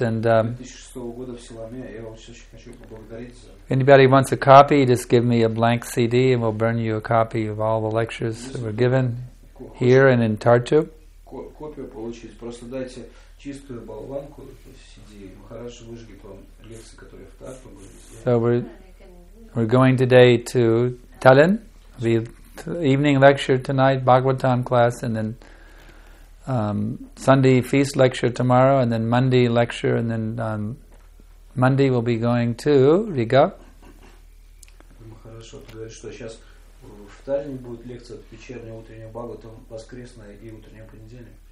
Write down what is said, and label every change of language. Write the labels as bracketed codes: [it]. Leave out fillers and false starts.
[en] And anybody wants a copy, just give me a blank CD and we'll burn you a copy of all the lectures that were given here and in Tartu. [ru] Копию получить. Просто дайте чистую болванку, CD. Хорошо выжги по лекции, которые в Тарту были. [en] So we're going today to Tallinn. The evening lecture tonight, Bhagavatam class, and then Sunday feast lecture tomorrow, and then Monday lecture, and then Monday we'll be going to Riga. [ru] Хорошо, то есть что сейчас в Таллине будет лекция от вечернего утреннего Бхагаватам, воскресная и утреннего понедельника.